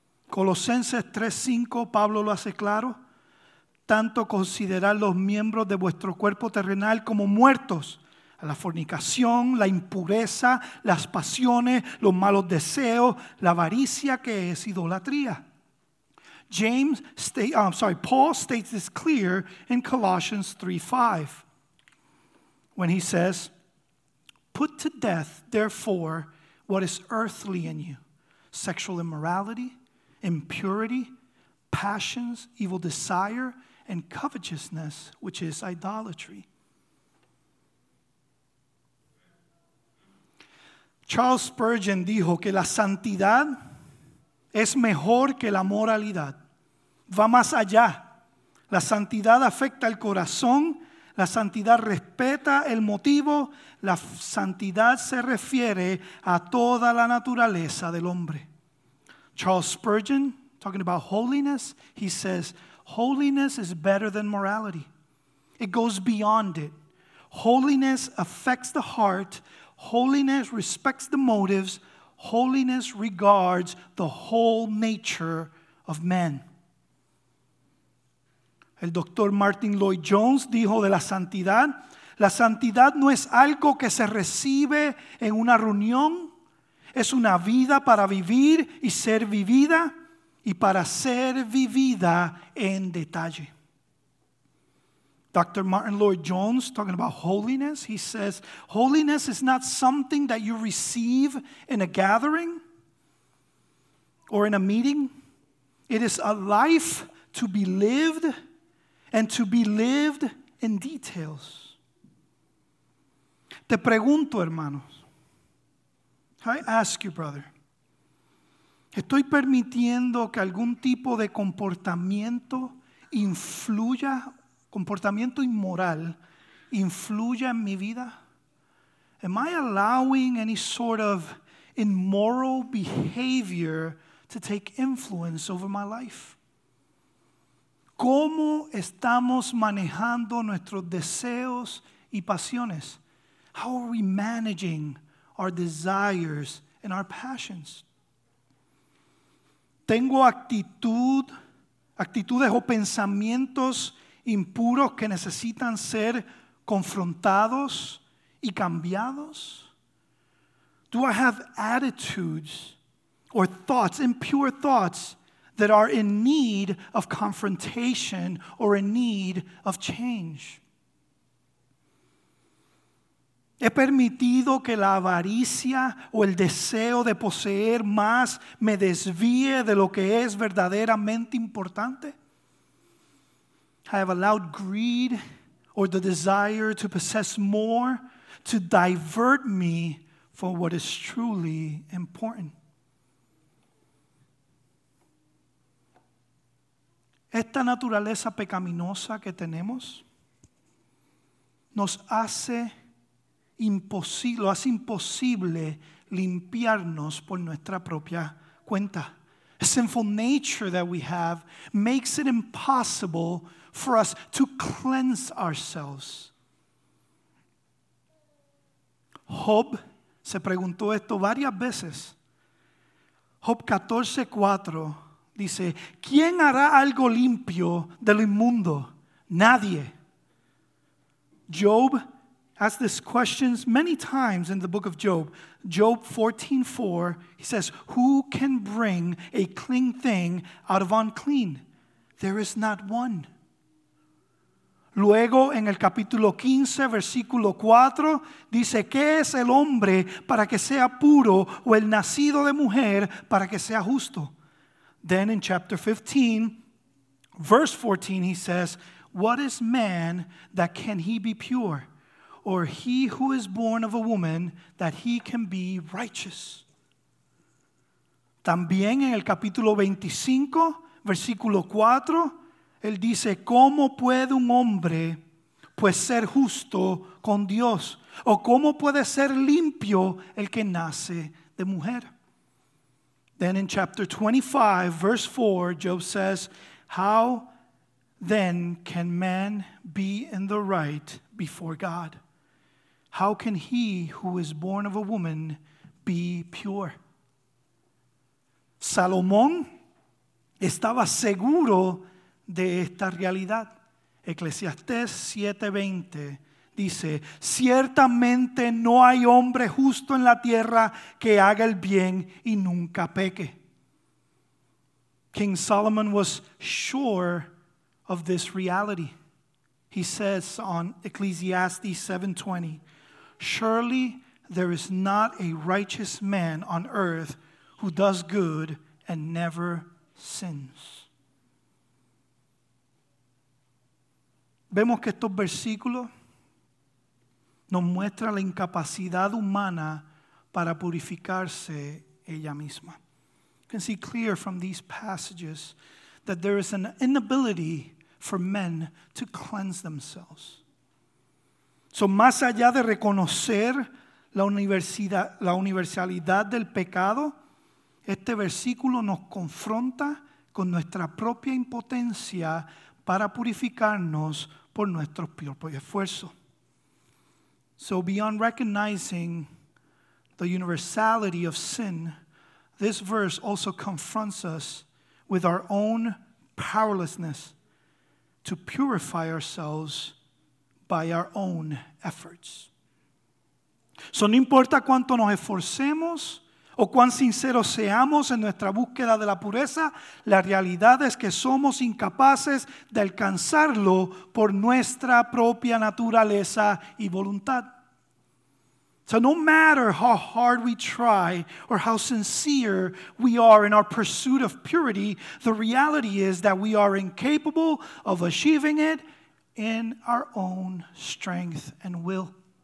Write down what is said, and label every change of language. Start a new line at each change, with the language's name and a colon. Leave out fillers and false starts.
Spanish: Colosenses 3:5, Pablo lo hace claro. Tanto considerar los miembros de vuestro cuerpo terrenal como muertos a la fornicación, la impureza, las pasiones, los malos deseos, la avaricia, que es idolatría.
English: Paul states this clear in Colossians 3:5 when he says, put to death, therefore, what is earthly in you, sexual immorality, impurity, passions, evil desire, and covetousness, which is idolatry.
Spanish: Charles Spurgeon dijo que la santidad es mejor que la moralidad. Va más allá. La santidad afecta el corazón. La santidad respeta el motivo. La santidad se refiere a toda la naturaleza del hombre.
English: Charles Spurgeon, talking about holiness, he says, holiness is better than morality. It goes beyond it. Holiness affects the heart. Holiness respects the motives. Holiness regards the whole nature of man.
Spanish: El doctor Martin Lloyd-Jones dijo de la santidad no es algo que se recibe en una reunión, es una vida para vivir y ser vivida y para ser vivida en detalle.
English: Dr. Martin Lloyd-Jones, talking about holiness, he says, holiness is not something that you receive in a gathering or in a meeting. It is a life to be lived and to be lived in details.
Spanish: Te pregunto, hermanos.
English: I ask you, brother.
Spanish: ¿Estoy permitiendo que algún tipo de comportamiento influya, comportamiento inmoral, influya en mi vida?
English: Am I allowing any sort of immoral behavior to take influence over my life?
Spanish: ¿Cómo estamos manejando nuestros deseos y pasiones?
English: How are we managing our desires and our passions?
Spanish: ¿Tengo actitudes o pensamientos impuros que necesitan ser confrontados y cambiados?
English: Do I have attitudes or thoughts, impure thoughts, that are in need of confrontation or in need of change?
Spanish: ¿He permitido que la avaricia o el deseo de poseer más me desvíe de lo que es verdaderamente importante?
English: I have allowed greed or the desire to possess more to divert me from what is truly important.
Spanish: Esta naturaleza pecaminosa que tenemos nos hace imposible, lo hace imposible limpiarnos por nuestra propia cuenta.
English: The sinful nature that we have makes it impossible for us to cleanse ourselves.
Spanish: Job se preguntó esto varias veces. Job 14:4 dice, ¿quién hará algo limpio de lo inmundo? Nadie.
English: Job asked this question many times in the book of Job. Job 14:4, he says, who can bring a clean thing out of unclean? There is not one.
Spanish: Luego, en el capítulo 15, versículo 4, dice, ¿qué es el hombre para que sea puro o el nacido de mujer para que sea justo?
English: Then in chapter 15, verse 14, he says, what is man that can he be pure? Or he who is born of a woman that he can be righteous?
Spanish: También en el capítulo 25, versículo 4, él dice, ¿cómo puede un hombre pues ser justo con Dios? ¿O cómo puede ser limpio el que nace de mujer?
English: Then in chapter 25, verse 4, Job says, how then can man be in the right before God? How can he who is born of a woman be pure?
Spanish: Salomón estaba seguro de esta realidad. Eclesiastés 7:20 dice, ciertamente no hay hombre justo en la tierra que haga el bien y nunca peque.
English: King Solomon was sure of this reality. He says on Ecclesiastes 7:20, surely there is not a righteous man on earth who does good and never sins.
Spanish: Vemos que estos versículos nos muestran la incapacidad humana para purificarse ella misma.
English: You can see clear from these passages that there is an inability for men to cleanse themselves.
Spanish: So, más allá de reconocer la universalidad del pecado, este versículo nos confronta con nuestra propia impotencia para purificarnos por nuestro propio esfuerzo.
English: So, beyond recognizing the universality of sin, this verse also confronts us with our own powerlessness to purify ourselves by our own efforts.
Spanish: So, no importa cuánto nos esforcemos o cuán sinceros seamos en nuestra búsqueda de la pureza, la realidad es que somos incapaces de alcanzarlo por nuestra propia naturaleza y voluntad.
English: So, no matter how hard we try or how sincere we are in our pursuit of purity, the reality is that we are incapable of achieving it in our own strength and will.